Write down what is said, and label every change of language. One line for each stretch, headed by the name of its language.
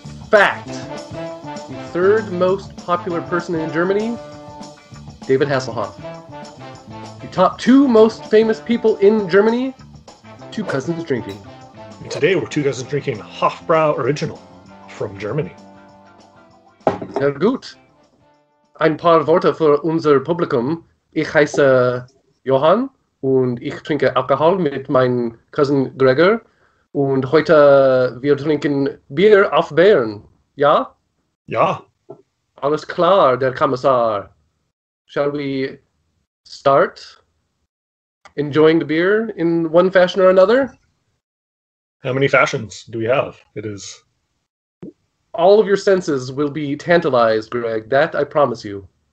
English: Fact. The third most popular person in Germany, David Hasselhoff. The top two most famous people in Germany, two cousins drinking. Today, we're two cousins drinking Hofbräu Original from Germany.
German: Sehr gut. Ein paar Worte für unser Publikum. Ich heiße Johann und ich trinke Alkohol mit meinem Cousin Gregor. Und heute wir trinken Bier auf Bären. Ja? Ja. Alles klar, der Kommissar.
English: Shall we start enjoying the beer in one fashion or another? How many fashions do we have? It is... All of your senses will be tantalized, Greg. That I promise you.